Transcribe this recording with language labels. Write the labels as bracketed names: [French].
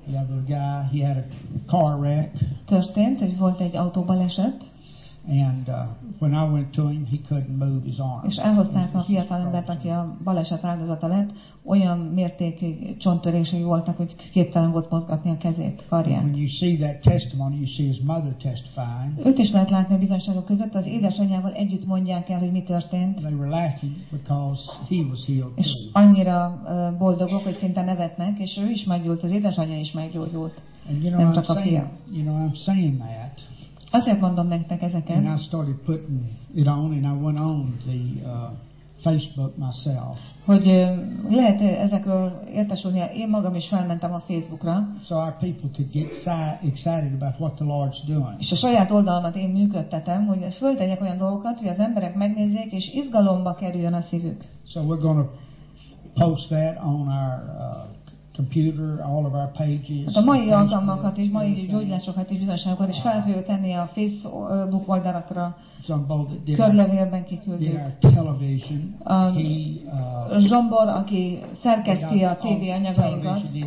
[English] The other guy, he had a car wreck. [Hungarian] Történt, hogy volt egy autóbaleset. [English] And when I went to him, he couldn't move his arm. [Hungarian] És elhozták a fiatal embert, aki a baleset áldozata lett, olyan mértékű csonttörései voltak, hogy képtelen volt mozgatni a kezét, karját. [English] When you see that testimony, you see his mother testifying. [Hungarian] Őt is lehet látni a bizonyságok között, az édesanyjával együtt mondják el, hogy mi történt. [English] They were laughing because he was healed. [Hungarian] És annyira boldogok, hogy szinte nevetnek, és ő is meggyógyult, az édesanyja is meggyógyult. [English] And you know, [Hungarian] nem csak a fia. [English] You know, I'm saying that. [Hungarian] Azért mondom nektek ezeket. [English] And I started putting it on, and I went on the Facebook myself. [Hungarian] Hogy lehet ezekről értesülni, én magam is felmentem a Facebookra. [English] So our people could get excited about what the Lord's doing. [Hungarian] És a saját oldalamat én működtetem, hogy föltegyek olyan dolgokat, hogy az emberek megnézzék, és izgalomba kerüljön a szívük. [English] So we're going to post that on our computer, all of our pages. [Hungarian] A mai alkalmakat és mai gyógyulásokat és bizonyságokat is fel fogjuk tenni a Facebook oldalakra. Körlevélben kiküldjük. Zsombor, aki szerkeszti a TV anyagainkat.